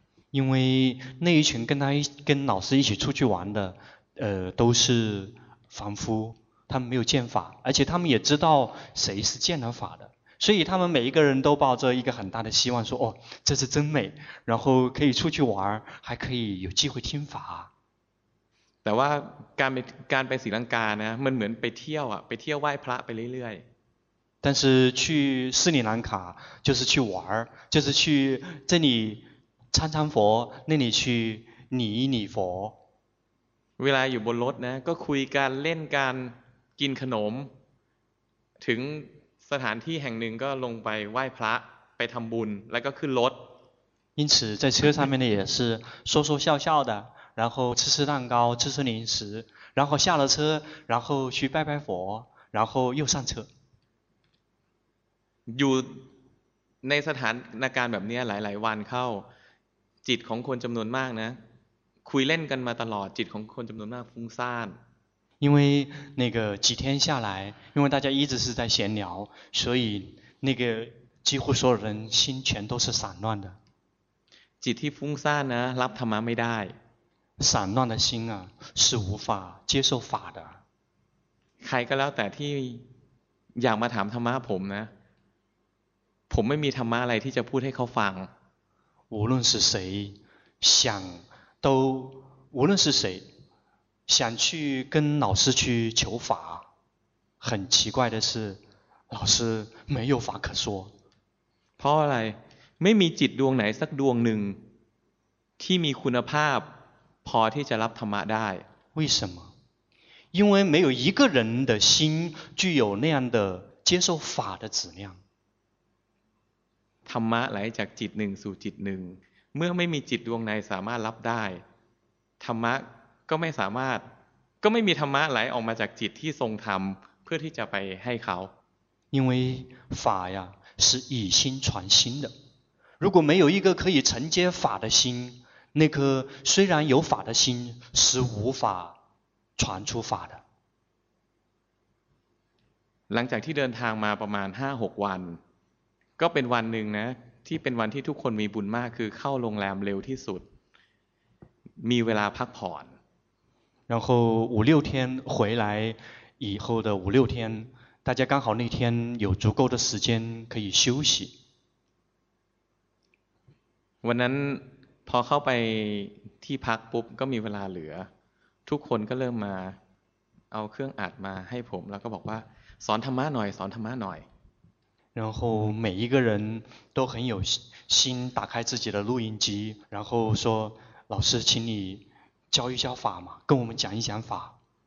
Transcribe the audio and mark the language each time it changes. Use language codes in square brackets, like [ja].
[zh] 因为那一群跟老师一起出去玩的都是凡夫他们没有见法而且他们也知道谁是见了法的所以他们每一个人都抱着一个很大的希望说哦这是真美然后可以出去玩还可以有机会听法 [th] แต่ว่าการไปศรีลังกานะมันเหมือนไปเที่ยวอ่ะไปเที่ยวไหว้พระไปเรื่อย [zh] ๆ但是去斯里兰卡就是去玩就是去这里参参佛那里去礼一礼佛 [th] เวลาอยู่บนรถนะก็คุยกันเล่นกันกินขนมถึงสถานที่แห่งหนึ่งก็ลงไปไหว้พระไปทำบุญแล้วก็ขึ้นรถ [zh] 因此在车上面呢也是说说笑笑的然后吃吃蛋糕吃吃零食然后下了车然后去拜拜佛然后又上车 [th] อยู่ในสถานการณ์แบบนี้หลายๆวันเข้าจิตของคนจำนวนมากนะคุยเล่นกันมาตลอดจิตของคนจำนวนมากฟุ้งซ่าน [zh] 因为那个几天下来因为大家一直是在闲聊所以那个几乎所有人心全都是散乱的 [th] จิตที่ฟุ้งซ่านนะรับธรรมะไม่ได้ [zh] 散乱的心啊是无法接受法的 [th] ใครก็แล้วแต่ที่อยากมาถามธรรมะผมนะผมไม่มีธรรมะอะไรที่จะพูดให้เขาฟัง [zh] 无论是谁想都无论是谁想去跟老师去求法很奇怪的是老师没有法可说 [th] เพราะอะไรไม่มีจิตดวงไหนสักดวงหนึ่งที่มีคุณภาพพอที่จะรับธรรมะได้ [zh] 为什么因为没有一个人的心具有那样的接受法的质量 [th] ธรรมะไหลจากจิตหนึ่งสู่จิตหนึ่งเมื่อไม่มีจิตดวงในสามารถรับได้ธรรมะก็ไม่สามารถก็ไม่มีธรรมะไหลออกมาจากจิตที่ทรงธรรมเพื่อที่จะไปให้เขา [zh] 因为法呀是以心传心的如果没有一个可以承接法的心那颗虽然有法的心是无法传出法的。 [th] หลังจากที่เดินทางมาประมาณ 5-6 วันก็เป็นวันหนึ่งนะที่เป็นวันที่ทุกคนมีบุญมากคือเข้าโรงแรมเร็วที่สุดมีเวลาพักผ่อน [zh] 然后五六天回来以后的五六天大家刚好那天有足够的时间可以休息 [th] วันนั้นพอเข้าไปที่พักปุ๊บก็มีเวลาเหลือทุกคนก็เริ่มมาเอาเครื่องอัดมาให้ผมแล้วก็บอกว่าสอนธรรมะหน่อยสอนธรรมะหน่อย [zh] 然后每一个人都很有心打开自己的录音机然后说老师请你教一教法嘛跟我们讲一讲法